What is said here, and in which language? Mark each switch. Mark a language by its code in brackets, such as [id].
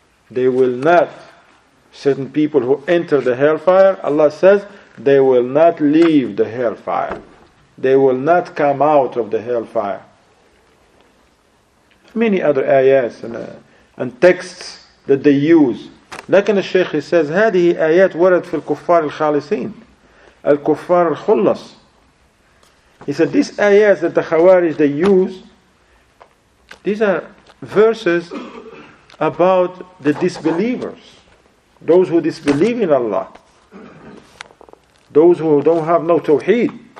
[en] They will not, certain people who enter the hellfire, Allah says, they will not leave the hellfire. They will not come out of the hellfire. Many other ayats and texts that they use. [ar] لكن الشيخ [en] says [ar] هذه آيات ورد في الكفار الخالصين الكفار الخلص. [en] He said these ayats that the Khawarij they use, these are verses about the disbelievers, those who disbelieve in Allah, those who don't have no tawheed.